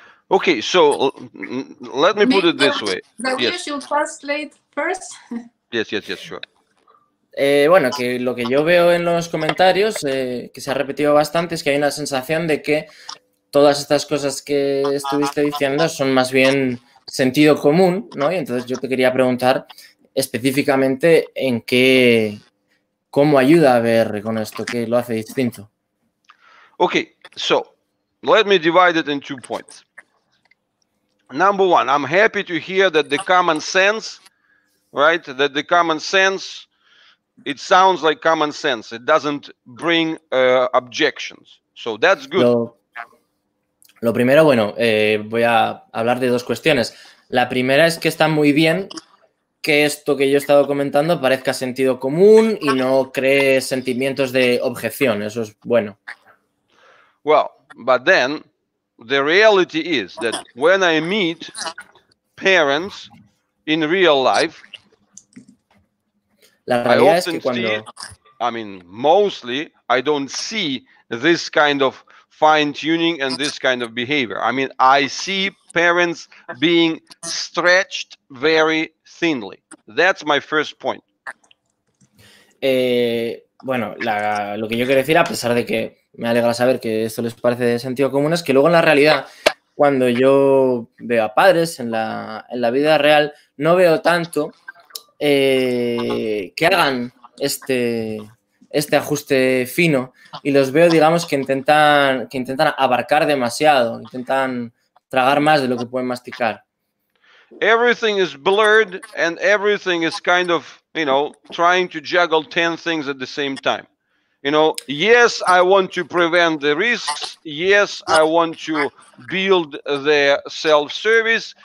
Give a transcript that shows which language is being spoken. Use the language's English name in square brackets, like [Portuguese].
[English] Okay, so let me put it this way. Yes. You translate first. Yes, sure. [Spanish] Bueno, que lo que yo veo en los comentarios, que se ha repetido bastante, es que hay una sensación de que todas estas cosas que estuviste diciendo son más bien sentido común, ¿no? Y entonces yo te quería preguntar específicamente en qué, cómo ayuda a ver con esto, que lo hace distinto. [English] Okay, so let me divide it in two points. Number one, I'm happy to hear that the common sense, right, that the common sense, it sounds like common sense. It doesn't bring objections. So that's good. [Spanish] Lo primero, bueno, voy a hablar de dos cuestiones. La primera es que está muy bien que esto que yo he estado comentando parezca sentido común y no cree sentimientos de objeción. Eso es bueno. [English] Well, but then... the reality is that when I meet parents in real life, [Spanish] la realidad es que cuando... [English] I mean, mostly, I don't see this kind of fine-tuning and this kind of behavior. I mean, I see parents being stretched very thinly. That's my first point. [Spanish] Bueno, lo que yo quiero decir, a pesar de que me alegra saber que esto les parece de sentido común, es que luego en la realidad, cuando yo veo a padres en la vida real, no veo tanto que hagan este ajuste fino y los veo, digamos, que intentan abarcar demasiado, intentan tragar más de lo que pueden masticar. [English] Everything is blurred and everything is kind of, you know, trying to juggle 10 things at the same time. You know, yes, I want to prevent the risks. Yes, I want to build the self-service.